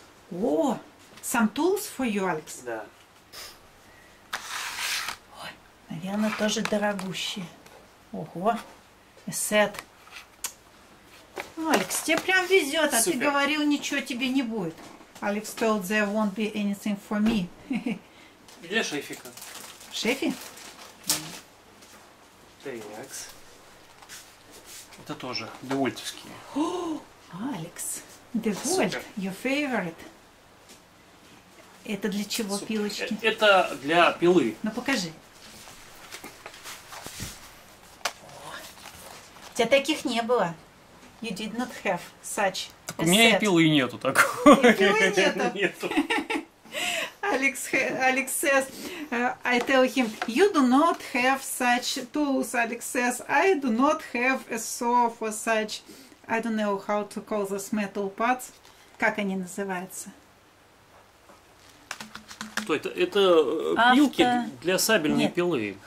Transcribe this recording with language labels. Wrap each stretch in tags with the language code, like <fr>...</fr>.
<en>О, some tools for you, Alex.</en> <ru>Да. Ой, наверное, тоже дорогущие. Ого,</ru> <en>a set.</en> <ru>Алекс, тебе прям везет, а супер. Ты говорил, ничего тебе не будет.</ru> <en>Alex told there won't be anything for me.</en> <ru>Где шефика? Шефи? Алекс. Это тоже девольтовские. Алекс, девольт,</ru> <en>your favorite.</en> <ru>Это для чего супер. Пилочки? Это для пилы. Ну покажи. О, у тебя таких не было.</ru> <en>You did not have such a</en> <ru>set. У меня и пилы нету такой. И пилы нету. Нету.</ru> <en>Alex says, I tell him, you do not have such tools. Alex says, I do not have a saw for such, I don't know how to call those metal parts.</en> <ru>Как они называются? Что это пилки для сабельной пилы.</ru>